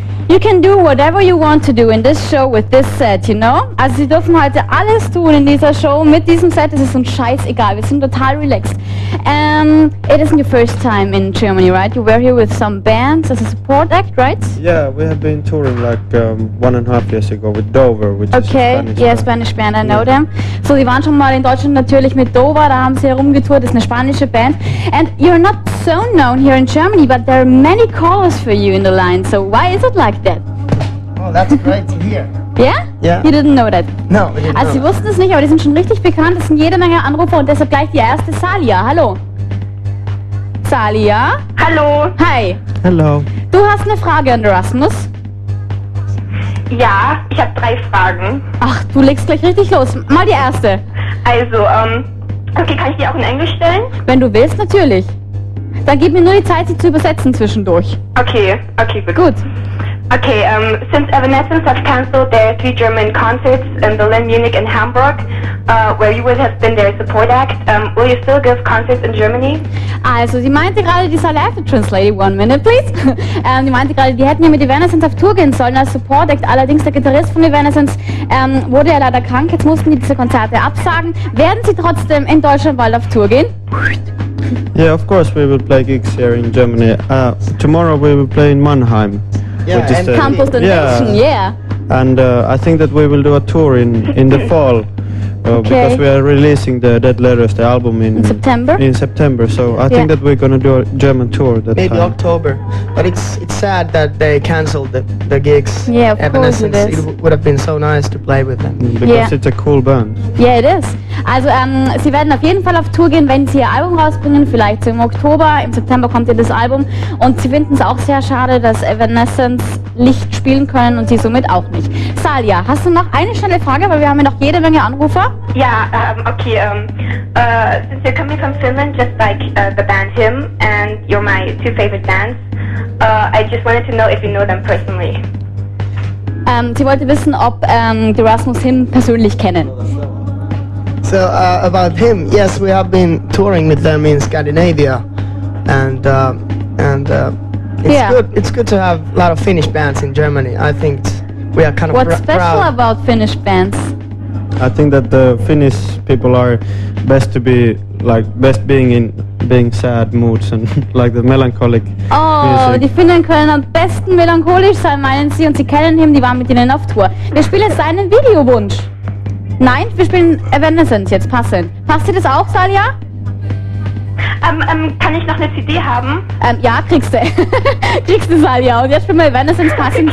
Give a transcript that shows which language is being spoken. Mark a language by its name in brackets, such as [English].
[English] You can do whatever you want to do in this show with this set, you know. [German] Also Sie dürfen heute alles tun in dieser Show mit diesem Set. Es ist uns scheißegal. Wir sind total relaxed. [English] It isn't your first time in Germany, right? You were here with some bands as a support act, right? Yeah, we have been touring like 1.5 years ago with Dover, which okay. is a Spanish, yeah, Spanish band. I know them. [German] So Sie waren schon mal in Deutschland natürlich mit Dover. Da haben Sie herumgetourt. Das ist eine spanische Band. [English] And you're not so known here in Germany, but there are many callers for you in the line. So why is it like that? Oh, that's great to hear. Yeah? Yeah. You didn't know that? No. [German] Also Sie wussten es nicht, aber die sind schon richtig bekannt. Es sind jede Menge Anrufer und deshalb gleich die erste Salia. Hallo. Salia. Hallo. Hi. Hallo. Du hast eine Frage an Erasmus. Ja, ich habe drei Fragen. Ach, du legst gleich richtig los. Mal die erste. Also, okay, kann ich die auch in Englisch stellen? Wenn du willst, natürlich. Dann gib mir nur die Zeit, sie zu übersetzen zwischendurch. Okay, bitte. Gut. [English] Okay, since Evanescence have cancelled their three German concerts in Berlin, Munich and Hamburg, where you would have been their support act, will you still give concerts in Germany? [German] Also, sie meinte gerade, die soll [English] after translate, one minute please. [German] Sie meinte gerade, die hätten ja mit Evanescence auf Tour gehen sollen als Support Act. Allerdings, der Gitarrist von Evanescence wurde ja leider krank, jetzt mussten die diese Konzerte absagen. Werden sie trotzdem in Deutschland bald auf Tour gehen? [English] Yeah, of course we will play gigs here in Germany. Tomorrow we will play in Mannheim. Yeah, and Campus Donation, yeah. And I think that we will do a tour in the fall. Okay. Because we are releasing the Dead Letters, the album in September. In September, so I think that we're gonna do a German tour. That maybe time. October, but it's sad that they cancelled the gigs. Yeah, of Evanescence. Course it is. It would have been so nice to play with them. Because it's a cool band. Yeah, it is. [German] Also, sie werden auf jeden Fall auf Tour gehen, wenn sie ihr Album rausbringen. Vielleicht im Oktober. Im September kommt ihr das Album. Und sie finden es auch sehr schade, dass Evanescence nicht spielen können und sie somit auch nicht. Salia, hast du noch eine schnelle Frage, weil wir haben ja noch jede Menge Anrufer. [English] Yeah, okay, since you're coming from Finland, just like the band Him, and you're my two favorite bands, I just wanted to know if you know them personally. [German] Sie wollte wissen, ob die Erasmus Him persönlich kennen. [English] So, about Him, yes, we have been touring with them in Scandinavia, it's good to have a lot of Finnish bands in Germany. I think we are kind of What's special proud. About Finnish bands? I think that the Finnish people are best to be like best being in being sad moods and like the melancholic. Oh, music. [German] Die Finnen können am besten melancholisch sein, meinen Sie? Und Sie kennen ihn, die waren mit Ihnen auf Tour. Wir spielen seinen Videowunsch. Nein, wir spielen Evanescence jetzt passend. Passt dir das auch, Salia? Kann ich noch eine CD haben? Ja, kriegst du. Kriegst du, Salia. Und jetzt spielen wir Evanescence passend.